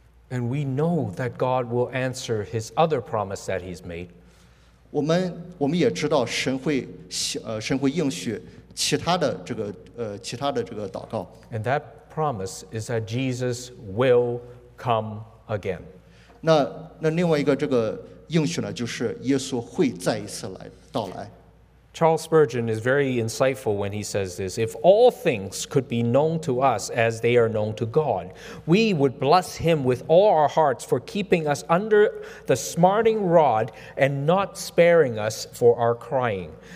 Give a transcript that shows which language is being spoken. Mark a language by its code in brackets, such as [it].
[en] And we know that God will answer His other promise that He's made. [zh] 我们也知道神会应许其他的这个祷告。 [en] And that promise is that Jesus will come again. [zh] 那另外一个这个 应许呢，就是耶稣会再一次来到来。 [en] Charles Spurgeon is very insightful when he says this. If all things could be known to us as they are known to God, we would bless him with all our hearts for keeping us under the smarting rod and not sparing us for our crying.